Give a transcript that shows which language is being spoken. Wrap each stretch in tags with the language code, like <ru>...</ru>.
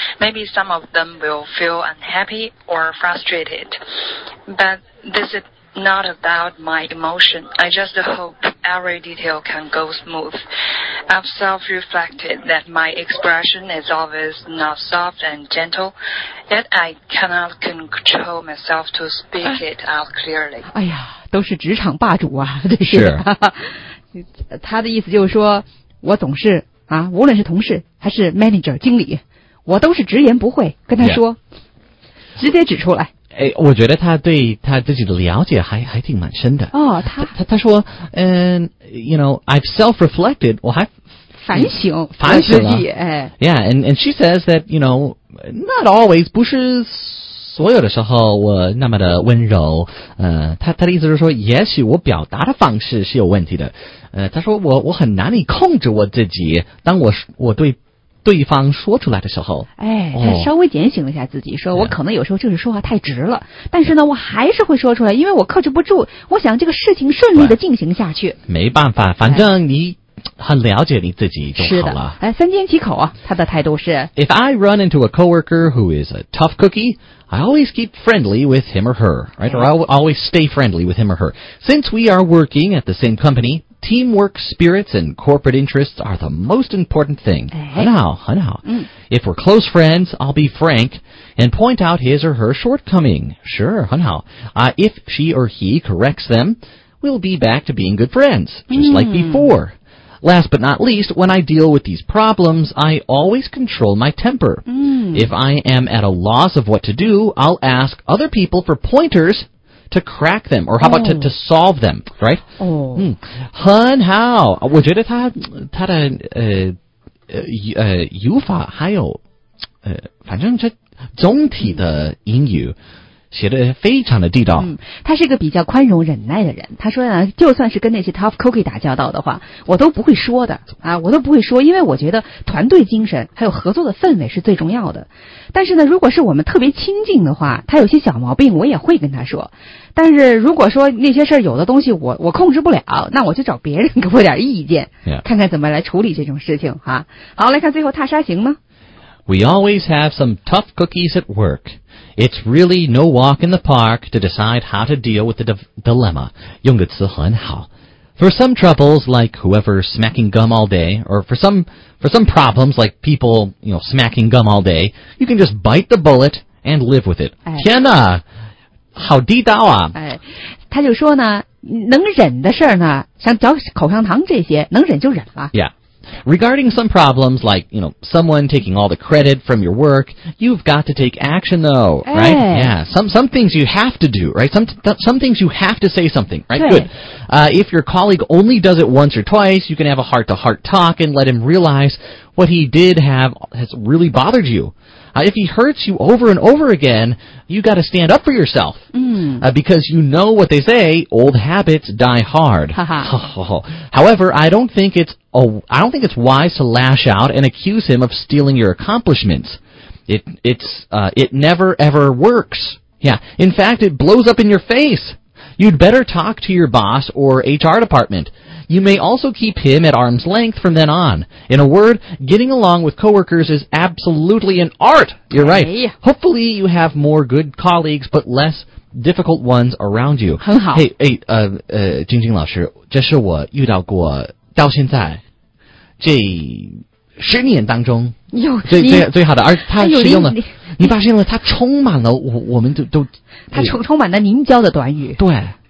<en>Maybe some of them will feel unhappy or frustrated, but this is not about my emotion. I just hope every detail can go smooth. I've self-reflected that my expression is always not soft and gentle, yet I cannot control myself to speak it out clearly.</en> <zh>哎呀，都是职场霸主啊，这是。他的意思就是说，我总是啊，无论是同事还是 manager 经理，我都是直言不讳跟他说，</zh> <en>yeah.</en> <zh>直接指出来。哎，我觉得他对他自己的了解还挺蛮深的。哦，他说，嗯，</zh> <en>you know, I've self-reflected,</en> <zh>我还反省了自己。哎</zh> <en>，Yeah, and she says that you know, not always,</en> <zh>不是所有的时候我那么的温柔。他的意思是说，也许我表达的方式是有问题的。他说我很难以控制我自己，当我对。对方说出来的时候，哎，他稍微检醒了一下自己，说我可能有时候就是说话太直了，但是呢，我还是会说出来，因为我克制不住，我想这个事情顺利的进行下去。没办法，反正你很了解你自己就好了。是的，哎，三缄其口啊，他的态度是</zh> <en>：If I run into a coworker who is a tough cookie, I always keep friendly with him or her, right? Or I always stay friendly with him or her. Since we are working at the same company. Teamwork spirits and corporate interests are the most important thing.</en> <zh>很好。</zh> <en>If we're close friends, I'll be frank and point out his or her shortcoming. Sure,</en> <zh>很好。</zh> <en>If she or he corrects them, we'll be back to being good friends, just like before. Last but not least, when I deal with these problems, I always control my temper. If I am at a loss of what to do, I'll ask other people for pointers. To crack them, or how about to solve them, right?</en> <zh>很好，我觉得他的语法还有反正这总体的英语写得非常的地道。他是一个比较宽容忍耐的人。他说呢，就算是跟那些 tough cookie 打交道的话，我都不会说的啊，我都不会说，因为我觉得团队精神还有合作的氛围是最重要的。但是呢，如果是我们特别亲近的话，他有些小毛病我也会跟他说。但是如果说那些事儿有的东西我控制不了，那我就找别人给我点意见，</zh> <en>yeah.</en> <zh>看看怎么来处理这种事情哈、啊。好，来看最后踏沙行呢。</zh> <en>We always have some tough cookies at work. It's really no walk in the park to decide how to deal with the dilemma. 用个词很好。 For some troubles, like whoever smacking gum all day, or for some problems, like people, you know, smacking gum all day, you can just bite the bullet and live with it.、哎、</en> <zh>天哪，好地道啊！哎，他就说呢，能忍的事儿呢，像嚼口香糖这些，能忍就忍了。</zh> <en>Yeah. Regarding some problems like, you know, someone taking all the credit from your work, you've got to take action though, right? Yeah, some things you have to do, right? Some things you have to say something, right? Good. If your colleague only does it once or twice, you can have a heart-to-heart talk and let him realize what he did have has really bothered you. If he hurts you over and over again, you got to stand up for yourself. Because you know what they say, old habits die hard. However, I don't think it's wise to lash out and accuse him of stealing your accomplishments. It never ever works. Yeah. In fact, it blows up in your face. You'd better talk to your boss or HR department. You may also keep him at arm's length from then on. In a word, getting along with coworkers is absolutely an art. You're right. Hopefully you have more good colleagues, but less difficult ones around you.</en> <zh>很好。 Hey, 晶晶老师，这是我遇到过到现在。这十年当中，最好的，而他使用的，你发现了，他充满了我们都，他充满了您教的短语，对，</zh>